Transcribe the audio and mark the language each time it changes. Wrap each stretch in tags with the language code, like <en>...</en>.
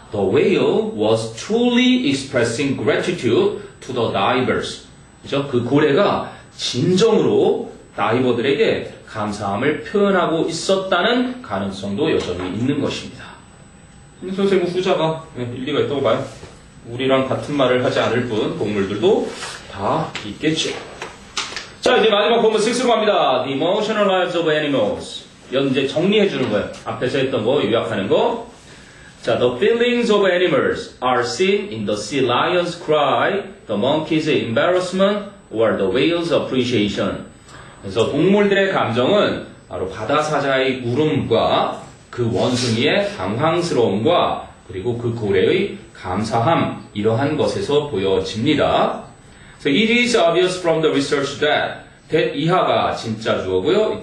<en>The whale was truly expressing gratitude to the divers.</en> <ko>그죠? 그 고래가 진정으로 다이버들에게 감사함을 표현하고 있었다는 가능성도 여전히 있는 것입니다. 선생님 후자가 일리가 있다고 봐요. 우리랑 같은 말을 하지 않을 뿐 동물들도 다 있겠죠. 자, 이제 마지막 본문 6으로 갑니다.</ko> <en>The emotional lives of animals.</en> <ko>이건 이제 정리해주는 거예요. 앞에서 했던 거 요약하는 거.</ko> <en>자, the feelings of animals are seen in the sea lion's cry, the monkey's embarrassment, or the whale's appreciation.</en> <ko>그래서 동물들의 감정은 바로 바다 사자의 울음과 그 원숭이의 당황스러움과 그리고 그 고래의 감사함 이러한 것에서 보여집니다.</ko> <en>So it is obvious from the research that</en> <ko>이하가 진짜 주어고요.</ko>